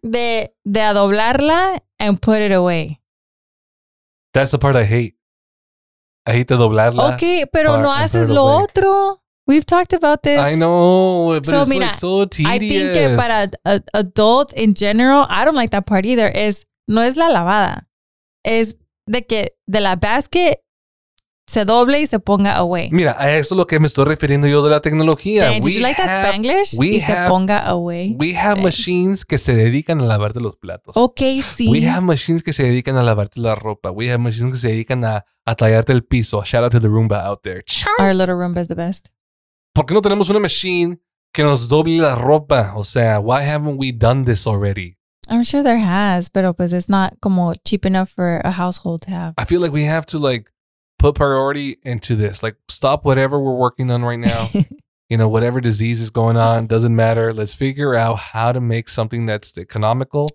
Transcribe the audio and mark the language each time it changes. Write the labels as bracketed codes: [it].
[es] De a doblarla [en] and put it away. That's the part I hate. I hate the doblarla. [es] Okay, pero no haces lo otro. [en] We've talked about this. I know, but so, it's [es] mira, [en] like so tedious. I think that [es] para [en] adults in general, I don't like that part either. [es] Es, no es la lavada. Es de que de la basket se doble y se ponga away. Mira, a eso es lo que me estoy refiriendo yo de la tecnología. [en] Dan, did you like that Spanglish? We [es] y [en] have, [es] se ponga away. [en] We have machines [es] que se dedican a lavarte los platos. Okay, sí. [en] We have machines [es] que se dedican a lavarte la ropa. We have machines que se dedican a tallarte el piso. [en] Shout out to the Roomba out there. Our little Roomba is the best. [es] ¿Por qué no tenemos una machine que nos doble la ropa? O sea, [en] why haven't we done this already? I'm sure there has, [es] pero pues [en] it's not [es] como [en] cheap enough for a household to have. I feel like we have to like put priority into this. Like stop whatever we're working on right now. You know, whatever disease is going on, doesn't matter. Let's figure out how to make something that's economical.